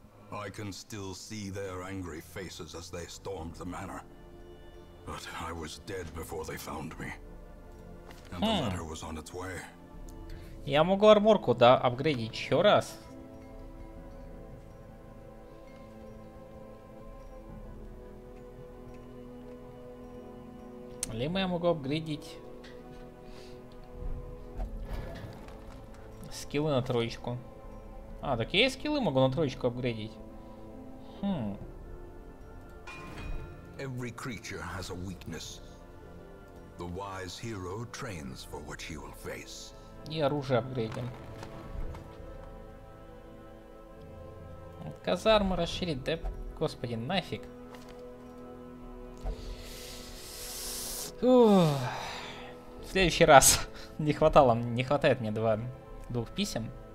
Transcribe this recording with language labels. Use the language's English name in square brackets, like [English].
[English] I can still see their angry faces as they stormed the manor. But I was dead before they found me. And the letter was on its way. [Russian] Я могу арморку, да, апгрейдить еще раз. Либо я могу апгрейдить скиллы на троечку. А, так я и скиллы могу на троечку апгрейдить. [English] Every creature has a weakness. The wise hero trains for what he will face. [Russian] И оружие апгрейдим. Казармы расширить, да, господи, нафиг. В следующий раз не хватает мне двух писем.